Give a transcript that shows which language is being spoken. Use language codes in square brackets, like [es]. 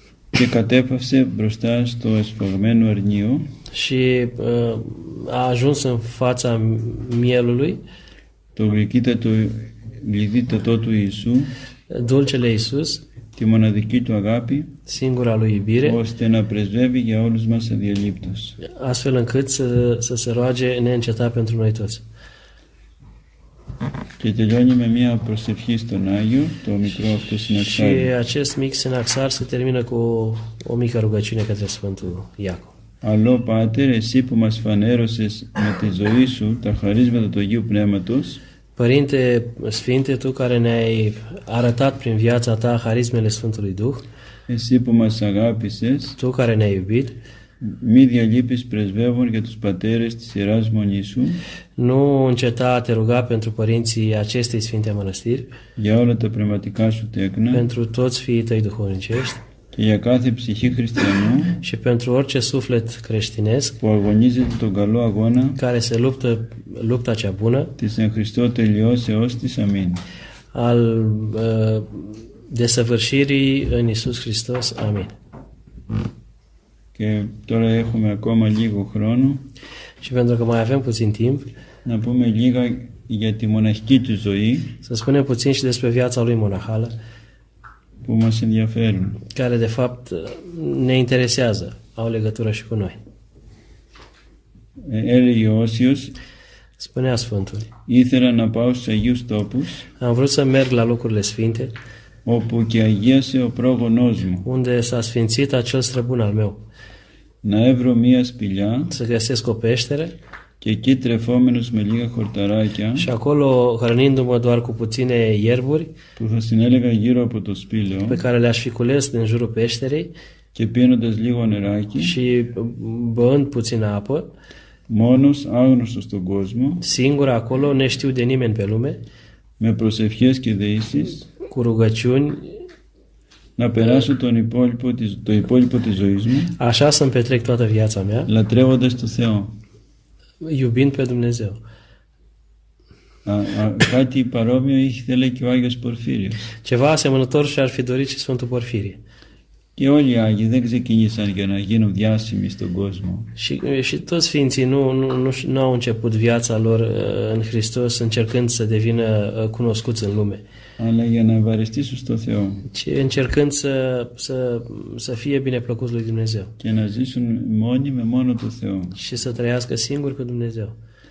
[el] και κατέπαυσε μπροστά στο εσφαγμένο αρνίο, [ro] și a ajuns în fața mielului, [el] το γλυκύτατο του Ιησού, [ro] dulcele Iisus, [el] τη μοναδική του αγάπη, [ro] singura lui iubire, [el] ώστε να πρεσβεύει για όλους μας αδιαλείπτος, [ro] astfel încât să se roage neîncetat pentru noi toți. [el] Και τελειώνει με μια προσευχή στον Άγιο, το μικρό αυτό συναξάρι. [ro] Și acest mic sinaxar se termină cu o mică rugăciune către Sfântul Iacob. [el] Αλλό Πάτερ, εσύ που μας φανέρωσες με τη ζωή σου τα χαρίσματα του Αγίου Πνεύματος, [ro] Părinte Sfinte, Tu care ne-ai arătat prin viața Ta harismele Sfântului Duh, [el] εσύ που μας αγάπησες, [ro] Tu care ne-ai iubit, [el] μη διαλείπεις πρεσβεύων για τους πατέρες της Ιεράς Μονής σου, [ro] nu înceta a te ruga pentru părinții acestei Sfinte Mănăstiri, [el] για όλα τα πνευματικά σου τέκνα, [ro] pentru toți fiii Tăi duhovnicești, [el] και για κάθε ψυχή χριστιανού, [ro] și pentru orice suflet creștinesc, [el] που αγωνίζεται τον καλό αγώνα, [ro] care se luptă lupta cea bună, [el] της εν Χριστώ τελειώσεως της αμήν, [ro] al desăvârșirii în Iisus Hristos, amin. [el] Και τώρα έχουμε ακόμα λίγο χρόνο, [ro] și pentru că mai avem puțin timp, [el] να πούμε λίγα για τη μοναχική του ζωή, [ro] să spunem puțin și despre viața lui monahală, [el] που μας ενδιαφέρουν, [ro] care de fapt ne interesează, au legătură și cu noi. [el] Έλεγε ο Όσιος, [ro] spunea Sfântul, [el] ήθελα να πάω στους Αγίους Τόπους, [ro] am vrut să merg la locurile sfinte, [el] όπου και αγίασε ο πρόγονός μου, [ro] unde s-a sfințit acel străbun al meu, [el] να έβρω μία σπηλιά, [ro] să găsesc o peșteră, [el] και εκεί τρεφόμενος με λίγα χορταράκια, [ro] și acolo hrănindu-mă doar cu puține ierburi, [el] που θα συνέλεγα γύρω από το σπήλαιο, [ro] pe care le-aș fi cules din jurul peșterii, [el] και πίνοντας λίγο νεράκι, [ro] și băând puțină apă, [el] μόνος, άγνωστος στον κόσμο, [ro] singur acolo, neștiu de nimeni pe lume, [el] με προσευχές και δεήσεις, [ro] cu rugăciuni, [el] να περάσω τον υπόλοιπο, το υπόλοιπο της ζωής μου, [ro] așa să-mi petrec toată viața mea, [el] λατρεύοντας το Θεό, [ro] iubind pe Dumnezeu. [el] Κάτι παρόμοιο ήθελε και ο Άγιος Πορφύριος. [ro] Ceva asemănător și-ar fi dorit și Sfântul Porfirie. [el] Και όλοι οι Άγιοι δεν ξεκίνησαν για να γίνουν διάσημοι στον κόσμο. [ro] Și toți Sfinții nu au început viața lor în Hristos încercând să devină cunoscuți în lume. [el] Αλλά για να ευχαριστήσουν στον Θεό. [ro] Și încercând să fie bineplăcuți lui Dumnezeu. [el] Και να ζήσουν μόνοι με μόνο τον Θεό. [ro] Și să trăiască singur cu Dumnezeu.